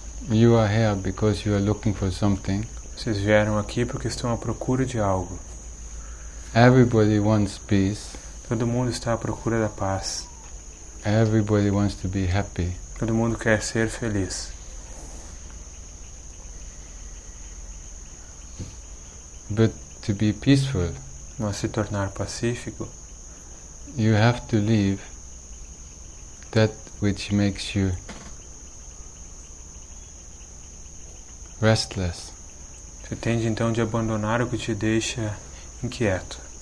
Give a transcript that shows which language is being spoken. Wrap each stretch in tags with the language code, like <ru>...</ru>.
<en>You are here because you are looking for something.</en> <pt>Vocês vieram aqui porque estão à procura de algo.</pt> <en>Everybody wants peace.</en> <pt>Todo mundo está à procura da paz.</pt> <en>Everybody wants to be happy.</en> <pt>Todo mundo quer ser feliz.</pt> <en>But to be peaceful,</en> <pt>mas se tornar pacífico,</pt> <en>you have to leave that which makes you restless.</en> <pt>Você tem então de abandonar o que te deixa inquieto.</pt>